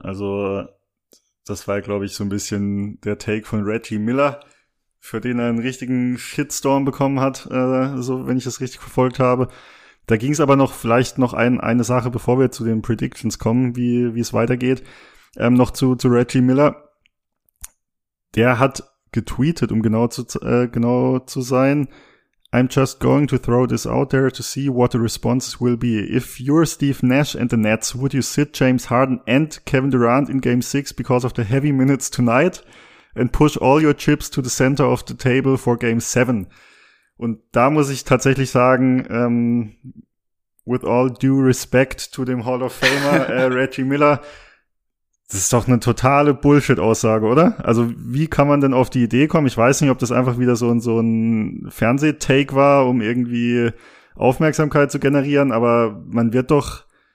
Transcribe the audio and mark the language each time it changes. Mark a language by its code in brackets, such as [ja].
[de] Also das war, glaube ich, so ein bisschen der Take von Reggie Miller, für den er einen richtigen Shitstorm bekommen hat, so wenn ich das richtig verfolgt habe. Da ging es aber noch vielleicht noch eine Sache, bevor wir zu den Predictions kommen, wie es weitergeht. Noch zu Reggie Miller. Der hat getweetet, um genau zu sein: [en] I'm just going to throw this out there to see what the responses will be. If you're Steve Nash and the Nets, would you sit James Harden and Kevin Durant in Game 6 because of the heavy minutes tonight and push all your chips to the center of the table for Game 7? [de] Und da muss ich tatsächlich sagen, [en] with all due respect to [de] dem Hall of Famer Reggie Miller, das ist doch eine totale Bullshit-Aussage, oder? Also wie kann man denn auf die Idee kommen? Ich weiß nicht, ob das einfach wieder so ein Fernsehtake war, um irgendwie Aufmerksamkeit zu generieren, aber man wird doch